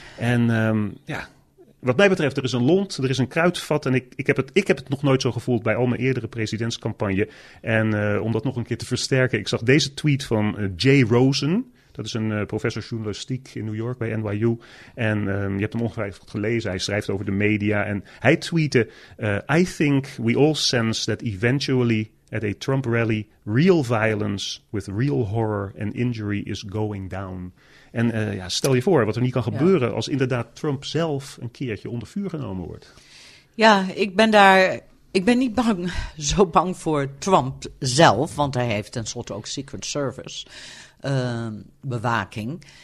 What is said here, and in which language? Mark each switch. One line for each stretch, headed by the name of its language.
Dutch: En wat mij betreft, er is een lont, er is een kruidvat. En ik heb het nog nooit zo gevoeld bij al mijn eerdere presidentscampagne. En om dat nog een keer te versterken, ik zag deze tweet van Jay Rosen. Dat is een professor journalistiek in New York bij NYU. En je hebt hem ongetwijfeld gelezen. Hij schrijft over de media. En hij tweette,
English: I think we all sense that eventually at a Trump rally, real violence with real horror and injury is going down.
Dutch: En ja, stel je voor wat er niet kan gebeuren als inderdaad Trump zelf een keertje onder vuur genomen wordt. Ja, ik ben niet bang, zo bang voor Trump zelf, want hij heeft tenslotte ook Secret Service bewaking.